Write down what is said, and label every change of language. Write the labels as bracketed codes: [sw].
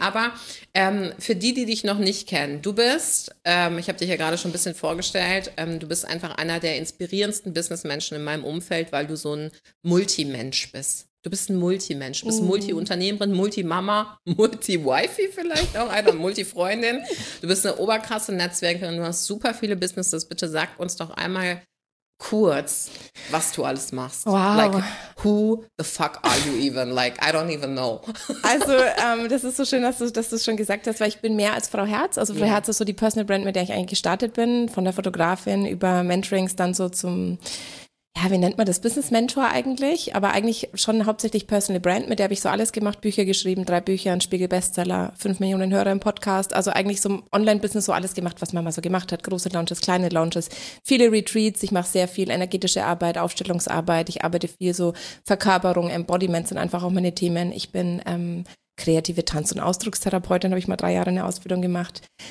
[de] Aber für die, die dich noch nicht kennen, du bist, ich habe dich ja gerade schon ein bisschen vorgestellt, du bist einfach einer der inspirierendsten Businessmenschen in meinem Umfeld, weil du so ein Multimensch bist. Du bist ein Multimensch, du bist Multiunternehmerin, Multimama, Multiwifi vielleicht auch, eine Multifreundin. Du bist eine oberkrasse Netzwerkerin, du hast super viele Businesses. Bitte sag uns doch einmal kurz, was du alles machst. Wow. [en] Like, who the fuck are you even? Like, I don't even know. [de] Also, das ist so schön, dass du es schon gesagt hast, weil ich bin mehr als Frau Herz. Also Frau Herz ist so die Personal Brand, mit der ich eigentlich gestartet bin, von der Fotografin über Mentorings dann so zum... Ja, wie nennt man das? Business Mentor eigentlich, aber eigentlich schon hauptsächlich Personal Brand, mit der habe ich so alles gemacht, Bücher geschrieben, 3 Bücher, ein Spiegel Bestseller, 5 Millionen Hörer im Podcast, also eigentlich so Online-Business so alles gemacht, was man mal so gemacht hat, große Launches, kleine Launches, viele Retreats, ich mache sehr viel energetische Arbeit, Aufstellungsarbeit, ich arbeite viel so Verkörperung, Embodiment sind einfach auch meine Themen, ich bin kreative Tanz- und Ausdruckstherapeutin, habe ich mal 3 Jahre eine Ausbildung gemacht.